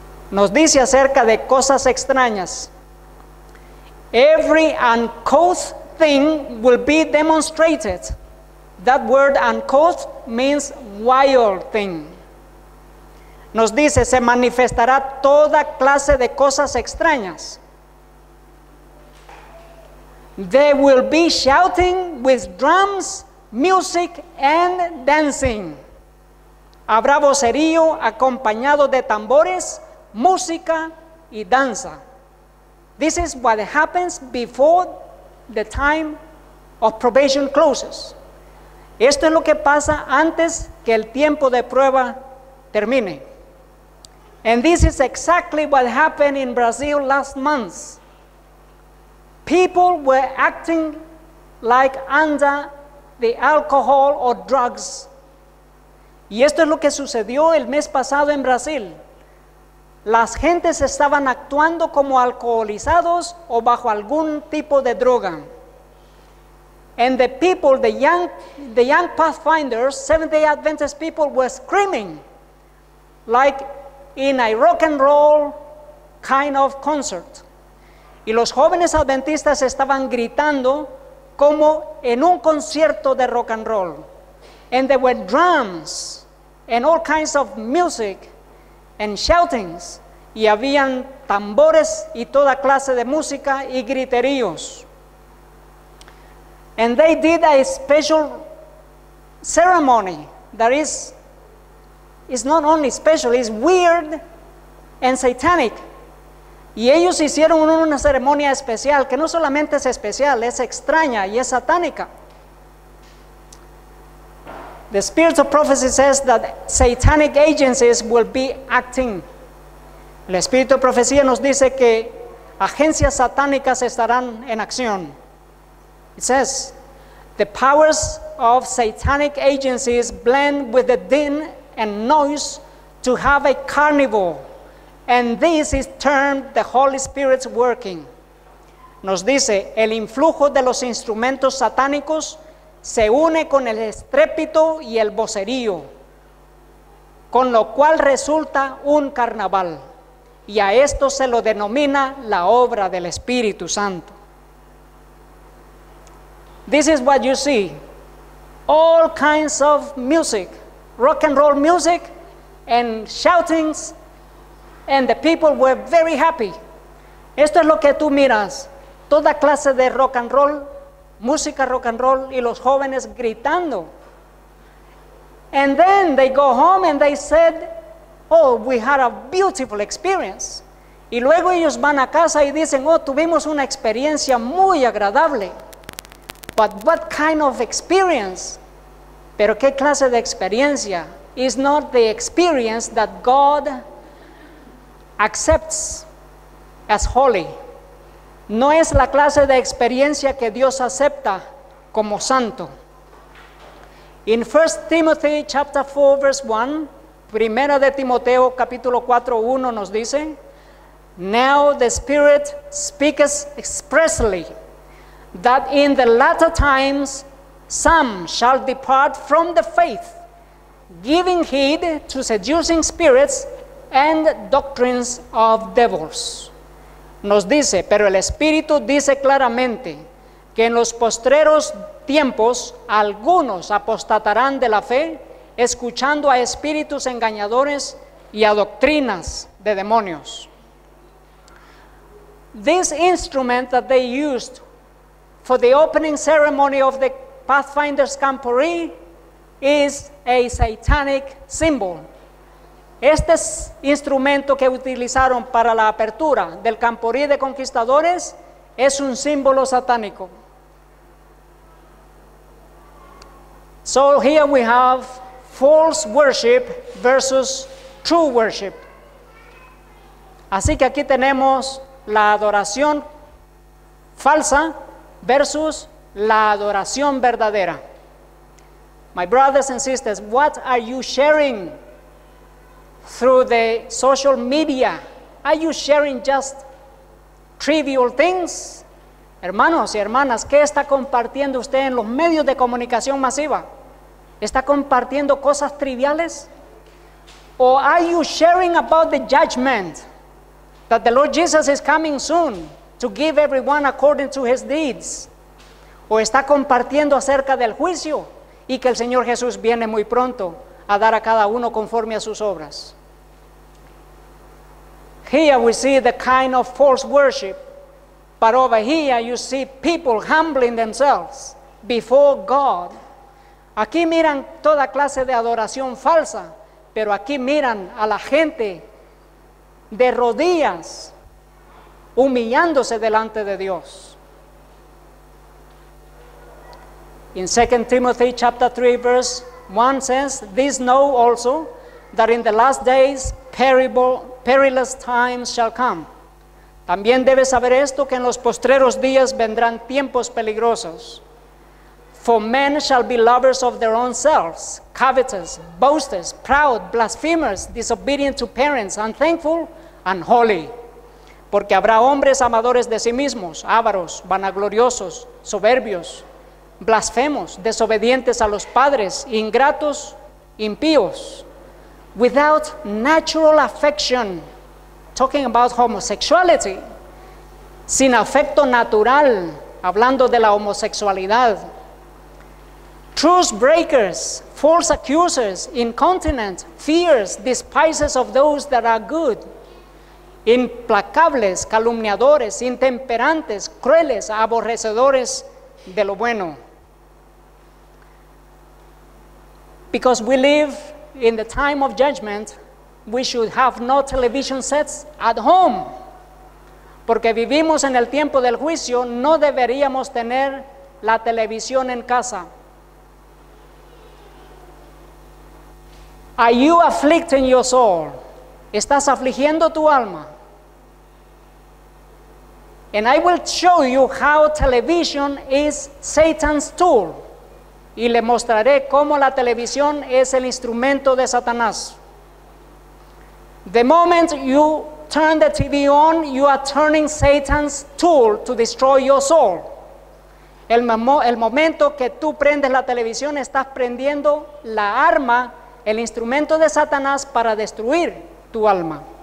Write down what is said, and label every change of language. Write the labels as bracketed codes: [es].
[es] Nos dice acerca de cosas extrañas. [en] Every uncouth thing will be demonstrated. That word uncouth means wild thing. [es] Nos dice, se manifestará toda clase de cosas extrañas. [en] There will be shouting with drums, music and dancing. [es] Habrá vocerío acompañado de tambores, música y danza. [en] This is what happens before the time of probation closes. [es] Esto es lo que pasa antes que el tiempo de prueba termine. [en] And this is exactly what happened in Brazil last month. People were acting like under the alcohol or drugs. [es] Y esto es lo que sucedió el mes pasado en Brasil. Las gentes estaban actuando como alcoholizados o bajo algún tipo de droga. [en] And the people, the young Pathfinders, Seventh-day Adventist people were screaming like in a rock and roll kind of concert. [es] Y los jóvenes adventistas estaban gritando como en un concierto de rock and roll. [en] And there were drums and all kinds of music and shoutings. [es] Y habían tambores y toda clase de música y griteríos. [en] And they did a special ceremony that is, it's not only special, it's weird and satanic. [es] Y ellos hicieron una ceremonia especial, que no solamente es especial, es extraña y es satánica. [en] The spirit of prophecy says that satanic agencies will be acting. [es] El espíritu de profecía nos dice que agencias satánicas estarán en acción. [en] It says, the powers of satanic agencies blend with the din and noise to have a carnival, and this is termed the Holy Spirit's working. [es] Nos dice, el influjo de los instrumentos satánicos se une con el estrépito y el vocerío, con lo cual resulta un carnaval, y a esto se lo denomina la obra del Espíritu Santo. [en] This is what you see, all kinds of music, rock and roll music and shoutings, and the people were very happy. [es] Esto es lo que tú miras, toda clase de rock and roll, música rock and roll y los jóvenes gritando. [en] And then they go home and they said, oh, we had a beautiful experience. [es] Y luego ellos van a casa y dicen, oh, tuvimos una experiencia muy agradable. [en] But what kind of experience? [es] Pero qué clase de experiencia? [en] Is not the experience that God accepts as holy. [es] No es la clase de experiencia que Dios acepta como santo. [en] In 1 Timothy chapter 4 verse 1, [es] Primera de Timoteo capítulo 4, 1 nos dice, [en] now the Spirit speaks expressly that in the latter times some shall depart from the faith, giving heed to seducing spirits and doctrines of devils. [es] Nos dice, pero el Espíritu dice claramente que en los postreros tiempos algunos apostatarán de la fe, escuchando a espíritus engañadores y a doctrinas de demonios. [en] This instrument that they used for the opening ceremony of the Pathfinder's Campori is a satanic symbol. [es] Este es instrumento que utilizaron para la apertura del Campori de conquistadores es un símbolo satánico. [en] So here we have false worship versus true worship. [es] Así que aquí tenemos la adoración falsa versus la adoración verdadera. [en] My brothers and sisters, what are you sharing? through the social media, are you sharing just trivial things? [es] Hermanos y hermanas, ¿qué está compartiendo usted en los medios de comunicación masiva? ¿Está compartiendo cosas triviales? [en] Or are you sharing about the judgment that the Lord Jesus is coming soon to give everyone according to his deeds? [es] ¿O está compartiendo acerca del juicio y que el Señor Jesús viene muy pronto a dar a cada uno conforme a sus obras? [en] Here we see the kind of false worship, but over here you see people humbling themselves before God. [es] Aquí miran toda clase de adoración falsa, pero aquí miran a la gente de rodillas humillándose delante de Dios. [en] In 2 Timothy chapter 3 verse 1 says, "This know also, that in the last days perilous times shall come." [es] También debes saber esto, que en los postreros días vendrán tiempos peligrosos. [en] "For men shall be lovers of their own selves, covetous, boasters, proud, blasphemers, disobedient to parents, unthankful, unholy." [es] Porque habrá hombres amadores de sí mismos, ávaros, vanagloriosos, soberbios, blasfemos, desobedientes a los padres, ingratos, impíos, [en] without natural affection, talking about homosexuality, [es] sin afecto natural, hablando de la homosexualidad, [en] truth breakers, false accusers, incontinent, fierce, despisers of those that are good, [es] implacables, calumniadores, intemperantes, crueles, aborrecedores de lo bueno. [en] Because we live in the time of judgment, we should have no television sets at home. [es] Porque vivimos en el tiempo del juicio, no deberíamos tener la televisión en casa. [en] Are you afflicting your soul? [es] ¿Estás afligiendo tu alma? [en] And I will show you how television is Satan's tool. [es] Y le mostraré cómo la televisión es el instrumento de Satanás. [en] The moment you turn the TV on, you are turning Satan's tool to destroy your soul. [es] El momento que tú prendes la televisión, estás prendiendo la arma, el instrumento de Satanás para destruir tu alma.